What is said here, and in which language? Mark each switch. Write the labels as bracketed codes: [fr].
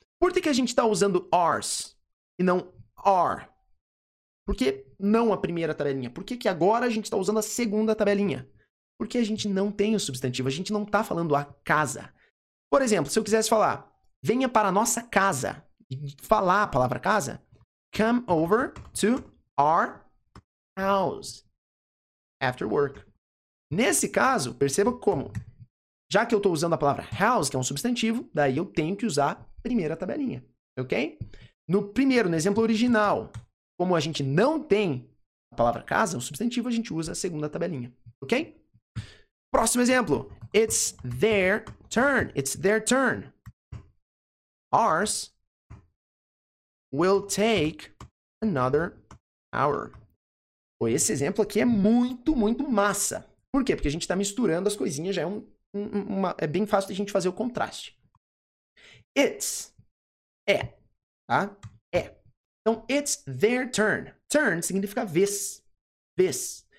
[pt] Por que a gente está usando ours e não are? Por que não a primeira tabelinha? Por que agora a gente está usando a segunda tabelinha? Porque a gente não tem o substantivo. A gente não está falando a casa. Por exemplo, se eu quisesse falar, venha para a nossa casa. E falar a palavra casa. [en] Come over to our house after work. [pt] Nesse caso, perceba como, já que eu estou usando a palavra house, que é um substantivo, daí eu tenho que usar a primeira tabelinha, ok? No exemplo original, como a gente não tem a palavra casa, o substantivo, a gente usa a segunda tabelinha, ok? Próximo exemplo, [en] it's their turn. Ours will take another hour. [pt] Esse exemplo aqui é muito, muito massa. Por quê? Porque a gente está misturando as coisinhas. Já é, é bem fácil de a gente fazer o contraste. It's. É. Tá? É. Então, [en] it's their turn. [pt] Turn significa vez. Vez.